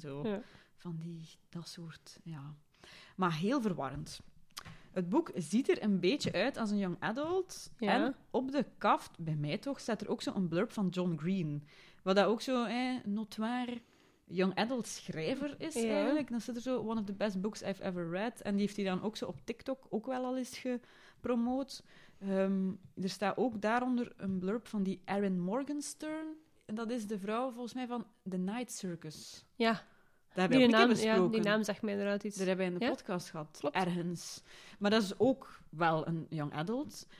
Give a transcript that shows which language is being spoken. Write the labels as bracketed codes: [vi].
[nl] Zo. Ja. Van die, dat soort, ja. Maar heel verwarrend. Het boek ziet er een beetje uit als een young adult. Ja. En op de kaft, bij mij toch, staat er ook zo een blurb van John Green. Wat dat ook zo een notoire young adult schrijver is, ja, eigenlijk. Dan zit er zo, [en] one of the best books I've ever read. [nl] En die heeft hij dan ook zo op TikTok ook wel al eens gepromoot. Er staat ook daaronder een blurb van die Erin Morgenstern. En dat is de vrouw, volgens mij, van The Night Circus. Ja. Daar hebben we ook niet besproken. Ja, die naam zegt mij inderdaad iets. Daar hebben we in de podcast gehad, klopt. Ergens. Maar dat is ook wel een young adult.